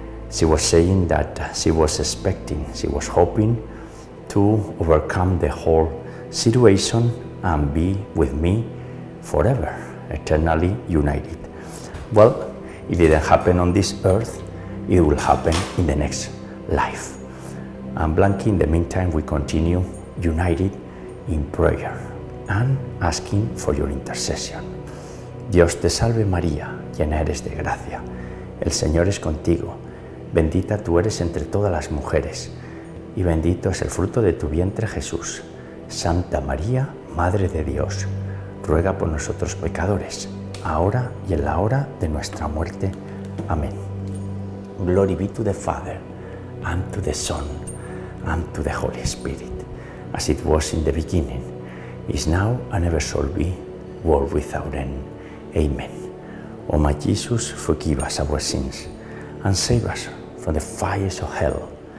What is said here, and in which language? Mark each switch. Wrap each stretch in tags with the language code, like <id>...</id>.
<en>She was saying that she was expecting, she was hoping to overcome the whole situation and be with me forever, eternally united. Well, it didn't happen on this earth, it will happen in the next life. And Blanqui, in the meantime, we continue united in prayer. and asking for your intercession.</en> <es>Dios te salve María, llena eres de gracia. El Señor es contigo, bendita tú eres entre todas las mujeres, y bendito es el fruto de tu vientre Jesús. Santa María, Madre de Dios, ruega por nosotros pecadores, ahora y en la hora de nuestra muerte. Amén.</es> <en>Glory be to the Father, and to the Son, and to the Holy Spirit, as it was in the beginning, is now, and ever shall be, world without end. Amen. O my Jesus, forgive us our sins, and save us from the fires of hell.</en>